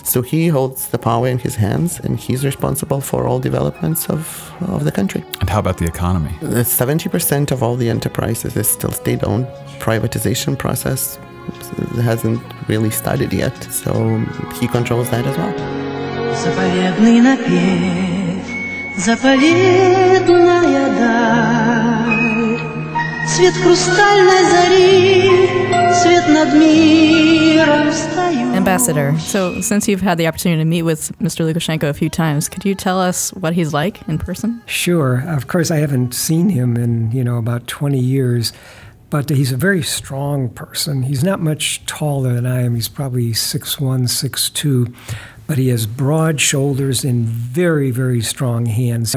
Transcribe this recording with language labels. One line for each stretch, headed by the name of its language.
English: So he holds the power in his hands, and he's responsible for all developments of the country. And how about the economy? 70% of all the enterprises is still state-owned. Privatization process hasn't really started yet, so he controls that as well.
Russian: Заповедный напев, заповедная даль, цвет хрустальной зари, цвет над миром встаю.
English: Ambassador, so since you've had the opportunity to meet with Mr. Lukashenko a few times, could you tell us what he's like in person? Sure. Of course, I haven't seen him in, you know, about 20 years. But he's a very strong person. He's not much taller than I am. He's probably 6'1", 6'2". But he has broad shoulders and very, very strong hands.